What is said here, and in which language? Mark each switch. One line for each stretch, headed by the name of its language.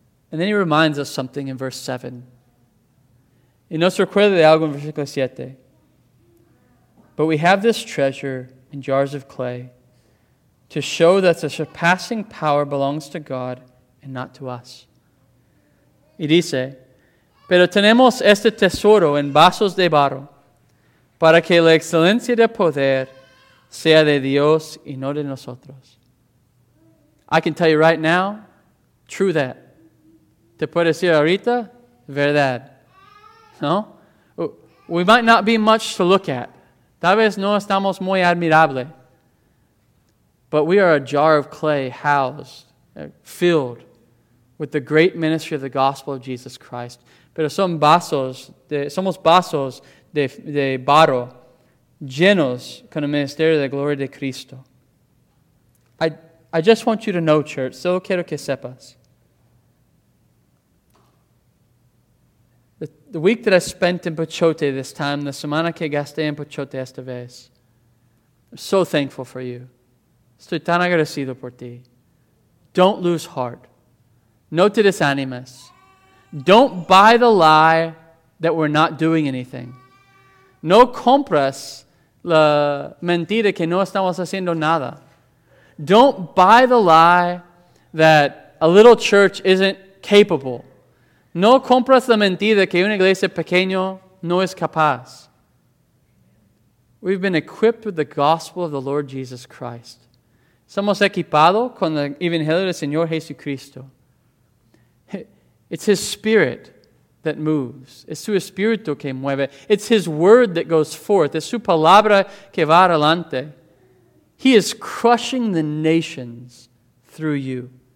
English: And then he reminds us something in verse 7.
Spanish: Y nos recuerda de algo en versículo 7.
English: But we have this treasure in jars of clay to show that the surpassing power belongs to God and not to us.
Spanish: Y dice, pero tenemos este tesoro en vasos de barro para que la excelencia de poder sea de Dios y no de nosotros.
English: I can tell you right now, true that.
Spanish: Te puedo decir ahorita, verdad. No?
English: We might not be much to look at.
Spanish: Tal vez no estamos muy admirable.
English: But we are a jar of clay housed, filled with the great ministry of the gospel of Jesus Christ.
Spanish: Pero somos vasos de barro, llenos con el ministerio de la gloria de Cristo.
English: I just want you to know, church,
Spanish: solo quiero que sepas.
English: The week that I spent in Pachote this time,
Spanish: la semana que gasté en Pachote esta vez,
English: I'm so thankful for you.
Spanish: Estoy tan agradecido por ti.
English: Don't lose heart.
Spanish: No te desanimes.
English: Don't buy the lie that we're not doing anything.
Spanish: No compras la mentira que no estamos haciendo nada.
English: Don't buy the lie that a little church isn't capable.
Spanish: No compras la mentira que una iglesia pequeña no es capaz.
English: We've been equipped with the gospel of the Lord Jesus Christ.
Spanish: Somos equipados con el Evangelio del Señor Jesucristo.
English: It's His Spirit that moves.
Spanish: Es su Espíritu que mueve.
English: It's His Word that goes forth.
Spanish: Es su Palabra que va adelante.
English: He is crushing the nations through you.